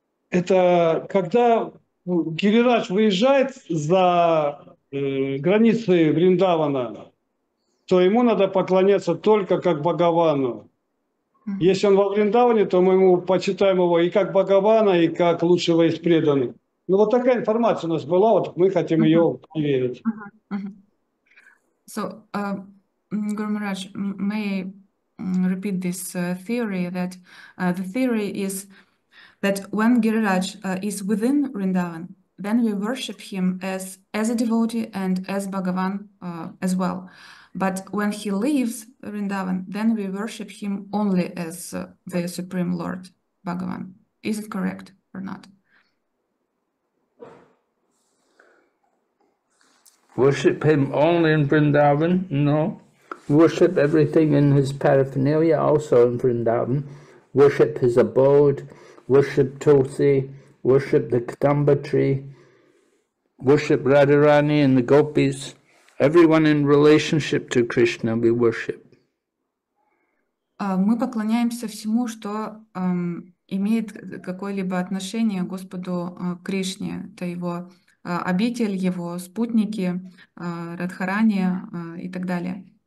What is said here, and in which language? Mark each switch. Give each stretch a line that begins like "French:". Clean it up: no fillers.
Russian: Это когда Гирирадж выезжает за границы Вриндавана, то ему надо поклоняться только как Бхагавану. Если он во Вриндаване, то мы ему почитаем его и как Бхагавана, и как лучшего из преданных. Ну вот такая информация у нас была, вот мы хотим ее проверить.
English: So, Guru Maharaj, may I repeat this theory, that the theory is that when Giriraj is within Vrindavan, then we worship him as a devotee and as Bhagavan as well. But when he leaves Vrindavan, then we worship him only as the Supreme Lord, Bhagavan. Is it correct or not? Worship him only in Vrindavan? No. worship everything in his paraphernalia, also in Vrindavan. Worship his abode, worship Tulsi, worship the Kadamba tree, worship Radharani and the gopis. Everyone in relationship to Krishna we worship.
Russian: Мы поклоняемся всему, что имеет какое-либо отношение к Господу Кришне. Это его обитель, его спутники, Радхарани и так далее.